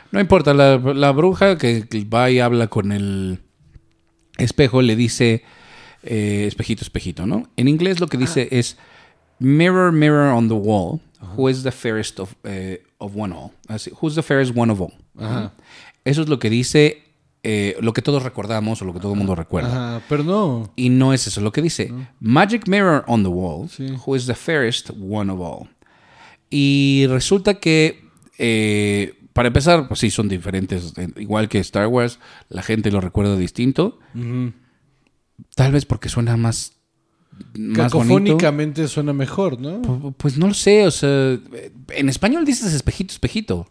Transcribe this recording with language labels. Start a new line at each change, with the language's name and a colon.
Spanish: No importa, la bruja que va y habla con el espejo le dice, espejito, ¿no? En inglés lo que dice es,
English: mirror, mirror on the wall, who is the fairest of one all? Así, who's the fairest one of all? Ajá.
Spanish: Eso es lo que dice lo que todos recordamos o lo que todo el mundo recuerda. Ajá, pero no. Y no es eso lo que dice. No.
English: Magic mirror on the wall,
Spanish: sí.
English: Who is the fairest one of all.
Spanish: Y resulta que, para empezar, pues sí, son diferentes. Igual que Star Wars, la gente lo recuerda distinto. Uh-huh. Tal vez porque suena más... Cacofónicamente suena mejor, ¿no? Pues no lo sé, o sea, en español dices espejito, espejito.